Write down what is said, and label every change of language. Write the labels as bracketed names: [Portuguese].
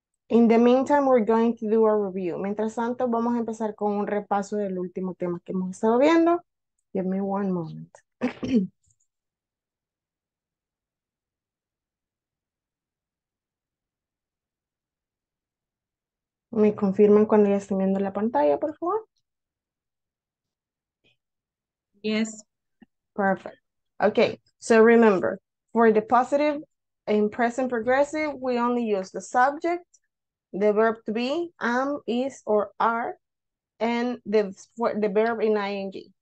[English] In the meantime, we're going to do a review. [Spanish] Mientras tanto, vamos a empezar con un repaso del último tema que hemos estado viendo. [English] Give me one moment. [Spanish] Me confirman cuando ya estén viendo la pantalla, por favor. [English] Yes. Perfect. Okay, so remember, for the positive in present progressive, we only use the subject, the verb to be, am, is, or are, and the verb in ing.